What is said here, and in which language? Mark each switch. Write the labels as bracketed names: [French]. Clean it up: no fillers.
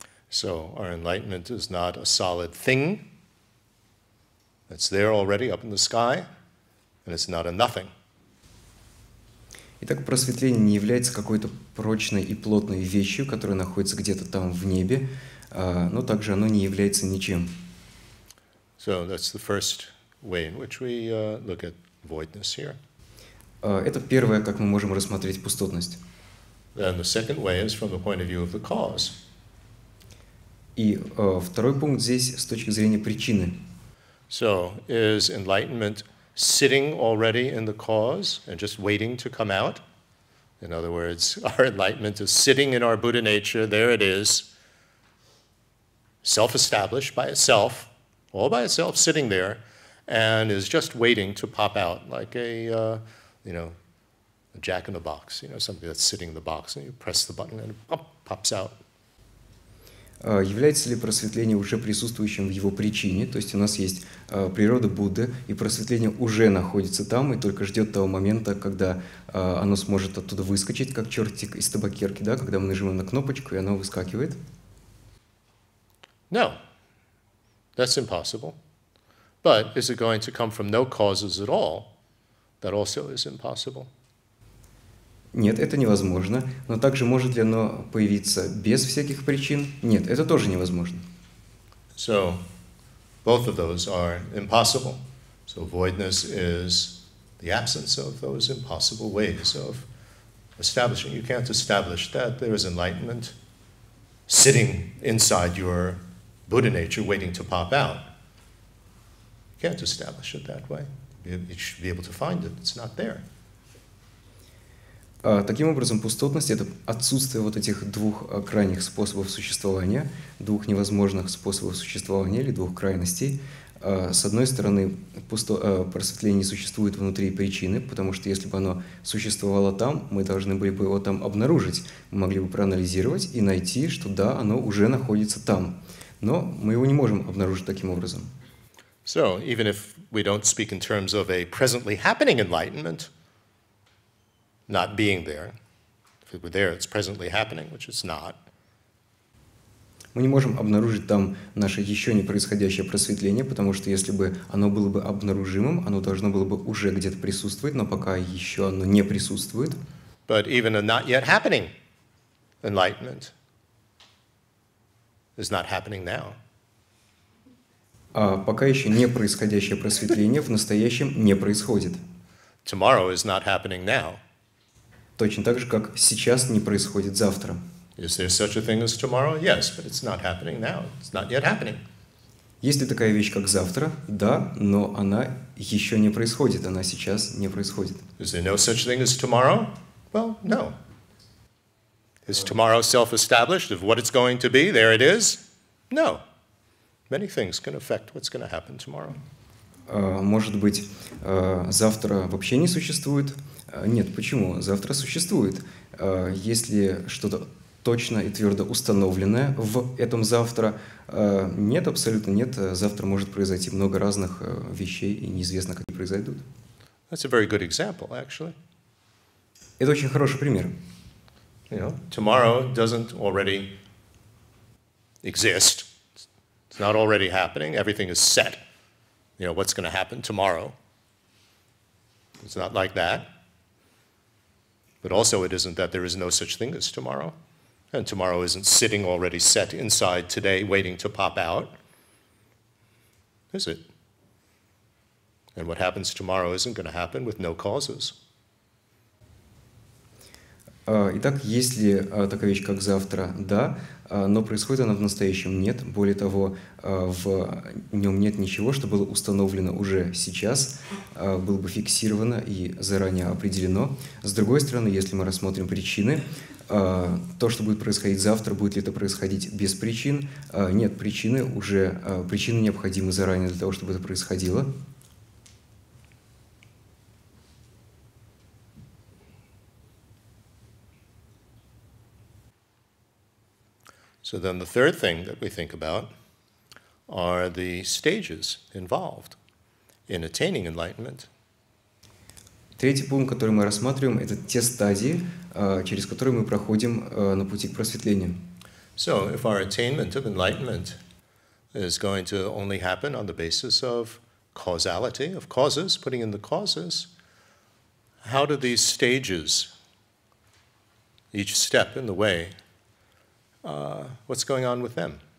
[English] So our enlightenment is not a solid thing that's there already up in the sky, and it's not a nothing. [Russian] Итак, просветление не является какой-то прочной и плотной вещью, которая находится где-то там в небе, но также оно не является ничем. [English] So that's the first way in which we look at voidness here. [Russian] Это первое, как мы можем рассмотреть пустотность. [English] Then the second way is from the point of view of the cause. [Russian] И второй пункт здесь с точки зрения причины. [English] So is enlightenment sitting already in the cause and just waiting to come out? In other words, our enlightenment is sitting in our Buddha nature, there it is, self-established by itself, all by itself, sitting there, and is just waiting to pop out like a jack-in-the-box, you know, something that's sitting in the box, and you press the button and it pops out. [Russian] Является ли просветление уже присутствующим в его причине? То есть у нас есть природа Будды, и просветление уже находится там и только ждет того момента, когда оно сможет оттуда выскочить, как чертик из табакерки, да, когда мы нажимаем на кнопочку, и оно выскакивает? [English] No, that's impossible. But is it going to come from no causes at all? That also is impossible. [Russian] Нет, это невозможно. Но также может ли оно появиться без всяких причин? Нет, это тоже невозможно. [English] So, both of those are impossible. So, voidness is the absence of those impossible ways of establishing. You can't establish that there is enlightenment sitting inside your Buddha nature waiting to pop out. You can't establish it that way. You should be able to find it. It's not there. [Russian] Таким образом, пустотность — это отсутствие вот этих двух крайних способов существования, двух невозможных способов существования или двух крайностей. С одной стороны, просветление не существует внутри причины, потому что если бы оно существовало там, мы должны были бы его там обнаружить, мы могли бы проанализировать и найти, что да, оно уже находится там. Но мы его не можем обнаружить таким образом. [English] So, even if we don't speak in terms of a presently happening enlightenment, not being there. If it were there, it's presently happening, which it's not. [Russian] Мы не можем обнаружить там наше еще не происходящее просветление, потому что если бы оно было бы обнаружимым, оно должно было бы уже где-то присутствовать, но пока еще оно не присутствует. [English] But even a not yet happening enlightenment is not happening now. [Russian] А пока еще не происходящее просветление в настоящем не происходит. [English] Tomorrow is not happening now. [Russian] Точно так же, как сейчас не происходит завтра. [English] Is there such a thing as tomorrow? Yes, but it's not happening now. It's not yet happening. [Russian] Есть ли такая вещь, как завтра? Да, но она еще не происходит. Она сейчас не происходит. [English] Is there no such thing as tomorrow? Well, no. Is tomorrow self-established of what it's going to be? There it is. No. Many things can affect what's going to happen tomorrow. [Russian] Может быть, завтра вообще не существует? Нет, почему? Завтра существует. Есть ли что-то точно и твердо установленное в этом завтра? Нет, абсолютно нет. Завтра может произойти много разных вещей, и неизвестно, как они произойдут. [English] That's a very good example, actually. [Russian] Это очень хороший пример. [English] You know, tomorrow doesn't already exist. It's not already happening. Everything is set. You know, what's going to happen tomorrow? It's not like that. But also it isn't that there is no such thing as tomorrow. And tomorrow isn't sitting already set inside today waiting to pop out. Is it? And what happens tomorrow isn't going to happen with no causes. [Russian] Итак, есть ли такая вещь, как завтра? Да. Но происходит она в настоящем? Нет. Более того, в нем нет ничего, что было установлено уже сейчас, было бы фиксировано и заранее определено. С другой стороны, если мы рассмотрим причины, то, что будет происходить завтра, будет ли это происходить без причин? Нет, причины уже, причины необходимы заранее для того, чтобы это происходило. [English] So then the third thing that we think about are the stages involved in attaining enlightenment. [Russian] Третий пункт, который мы рассматриваем, это те стадии, через которые мы проходим на пути к просветлению. [English] So if our attainment of enlightenment is going to only happen on the basis of causality, of causes, putting in the causes, how do these stages, each step in the way, what's going on with them?